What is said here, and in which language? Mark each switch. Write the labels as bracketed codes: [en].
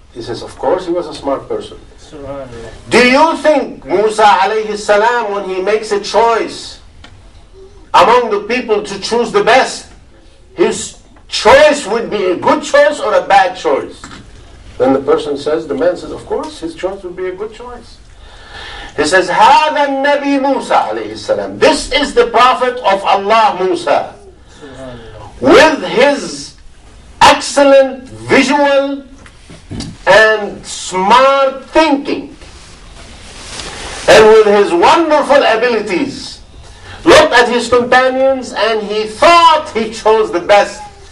[en] He says, of course he was a smart person. Do you think Musa alayhi salam, when he makes a choice among the people to choose the best, his choice would be a good choice or a bad choice? Then the man says, of course his choice would be a good choice. He says, [ar] هذا النبي موسى عليه السلام. [en] This is the prophet of Allah Musa. With his excellent visual and smart thinking. And with his wonderful abilities. Looked at his companions and he thought he chose the best.